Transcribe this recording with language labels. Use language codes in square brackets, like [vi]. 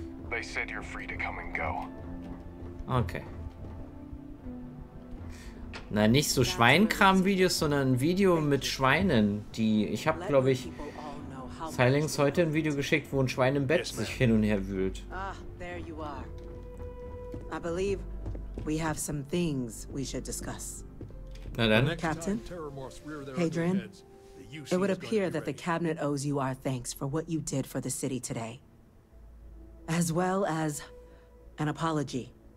[en] They said you're free to come and go. Okay. [de] Na, nicht so Schweinkram-Videos, sondern ein Video mit Schweinen. Die, ich habe, glaube ich, Silence heute ein Video geschickt, wo ein Schwein im Bett sich hin und her wühlt. [en] Ah, there you are. I believe we have some things we should discuss. [de] Na dann. [en] Captain, Hadrian, it would appear that the cabinet owes you our thanks for what you did for the city today, as well as an apology.